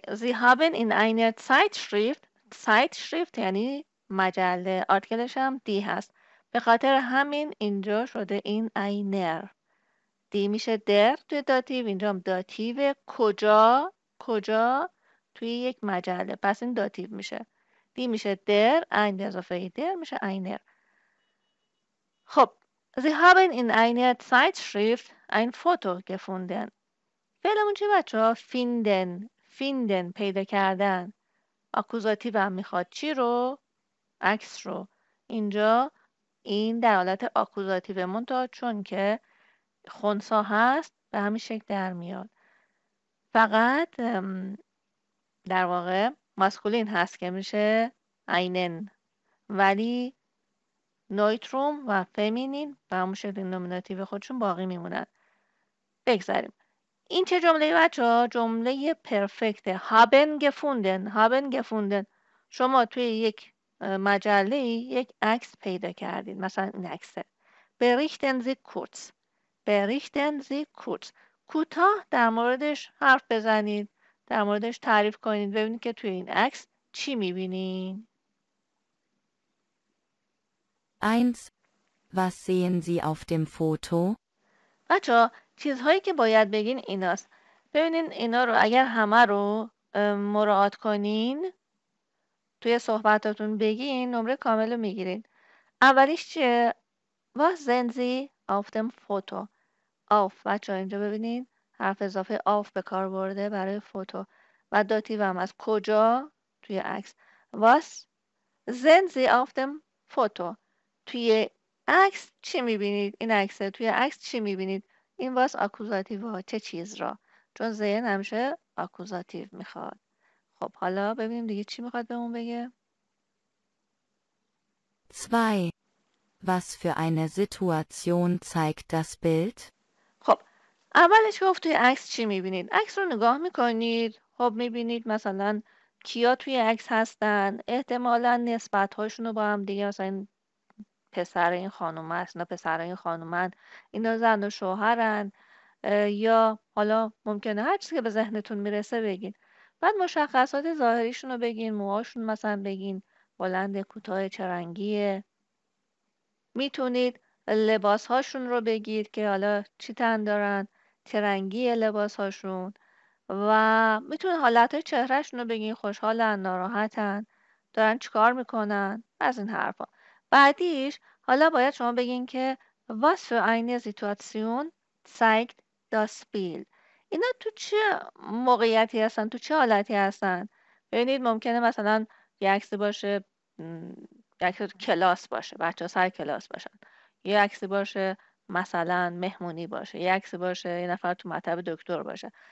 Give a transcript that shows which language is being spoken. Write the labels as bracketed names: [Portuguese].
[German] Sie haben in einer Zeitschrift [Persian] یعنی مجله، آرتیکلش هم دی هست، به خاطر همین اینجا شده این اینر. دی میشه در توی داتیو، اینجا هم داتیو کجا، کجا توی یک مجله، پس این داتیو میشه. دی میشه در، این به اضافه در میشه اینر. [German] خب Sie haben in einer Zeitschrift ein Foto gefunden. [Persian] فعلمون چی بچه ها؟ فیندن، فیندن پیدا کردن. آکوزاتیو هم میخواد چی رو؟ عکس رو. اینجا این در حالت آکوزاتیو منتها چون که خونسا هست به همین شکل در میاد. فقط در واقع ماسکولین هست که میشه اینن، ولی نویتروم و فمینین به همون شکل نومیناتیو خودشون باقی میمونن. بگذاریم. این چه جمله بچه ها؟ جمله پرفکت. هابن گفوندن، هابن گفوندن. شما توی یک مجله یک عکس پیدا کردید، مثلا این عکسه. [German] بریختن زی کورتز، بریختن زی کورتز. [Persian] کوتاه در موردش حرف بزنید، در موردش تعریف کنید، ببینید که توی این عکس چی میبینید. [German] Eins, was sehen Sie auf dem Foto? [Persian] بچه ها چیزهایی که باید بگین ایناست. ببینین اینا رو اگر همه رو مراعات کنین توی صحبتاتون بگین نمره کامل رو میگیرین. اولیش چیه؟ [German] was sehen Sie auf dem Foto. [Persian] auf بچه ها اینجا ببینین حرف اضافه auf به کار برده برای فوتو و داتیو هم از کجا توی عکس. [German] was sehen Sie auf dem Foto. [Persian] توی عکس چی میبینید؟ این عکسه توی عکس چی میبینید؟ این واس اکوزاتیو ها چه چیز را؟ چون زین همشه اکوزاتیو میخواد. خب حالا ببینیم دیگه چی میخواد به اون بگه؟ [German] Zwei. Was für eine Situation zeigt das Bild? [Persian] خب اولش گفت توی عکس چی میبینید؟ عکس رو نگاه میکنید. خب میبینید مثلا کیا توی عکس هستن؟ احتمالا نسبت هاشون رو با هم دیگه، مثلا این پسر این خانومه هست، اینا پسر این خانومن، اینا زن و شوهرن، یا حالا ممکنه هر چیزی که به ذهنتون میرسه بگین. بعد مشخصات ظاهریشون رو بگین، موهاشون مثلا بگین بلند کوتاه چه رنگیه. میتونید لباسهاشون رو بگید که حالا چی تن دارن، چه رنگی لباسهاشون، و میتونید حالت چهرهشون رو بگین، خوشحالن، ناراحتن، دارن چیکار میکنن، از این حرفا. بعدیش حالا باید شما بگین که [German] was für eine Situation zeigt das Bild. [Persian] اینا تو چه موقعیتی هستن؟ تو چه حالتی هستن؟ ببینید ممکنه مثلا یه عکسی باشه، یک کلاس باشه، بچه سر کلاس باشن، یه عکسی باشه مثلا مهمونی باشه، یه عکسی باشه یه نفر تو مطب دکتر باشه.